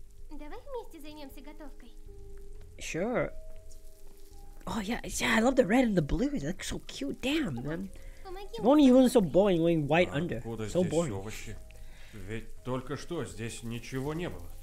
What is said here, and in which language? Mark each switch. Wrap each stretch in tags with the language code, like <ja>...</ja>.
<ru>Давай вместе займемся готовкой.</ru> <en>Sure. Oh yeah, I love the red and the blue. They look so cute. Damn, man. If only you weren't so boring wearing white under. So boring.</en> <ru>Овощи? Ведь только что здесь ничего не было.</ru>